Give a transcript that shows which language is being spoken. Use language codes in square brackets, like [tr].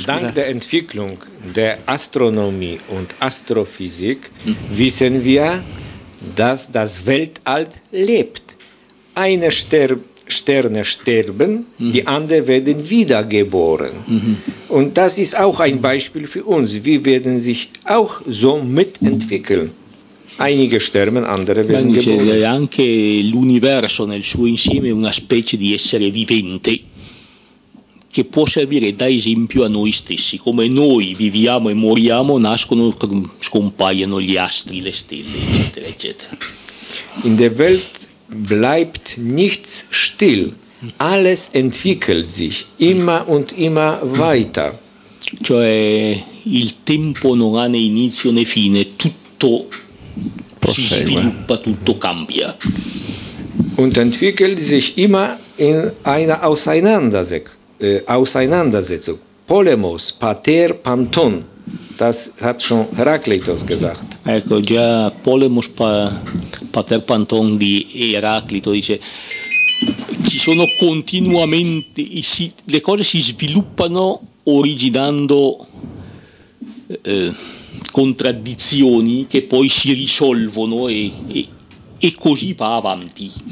[de] Dank der Entwicklung der Astronomie und Astrophysik wissen wir, dass das Weltall lebt. Eine Sterne sterben, die anderen werden wiedergeboren. Und das ist auch ein Beispiel für uns. Wir werden sich auch so mitentwickeln. Einige sterben, andere werden geboren. [it] Anche l'universo nel suo insieme è una specie di essere vivente che può servire da esempio a noi stessi. Come noi viviamo e moriamo, nascono, scompaiono gli astri, le stelle, eccetera, eccetera. [de] In der Welt bleibt nichts still. Alles entwickelt sich immer und immer weiter. [it] Cioè, il tempo non ha né inizio né fine. Tutto prosegue. Si sviluppa, tutto cambia. [de] Und entwickelt sich immer in einer Auseinandersetzung. Polemos, pater, panton. Das hat schon Heraklitos gesagt. [it] Ecco, già Polemos, pater, panton di Eraclito dice ci sono continuamente, le cose si sviluppano originando contraddizioni che poi si risolvono e così va avanti.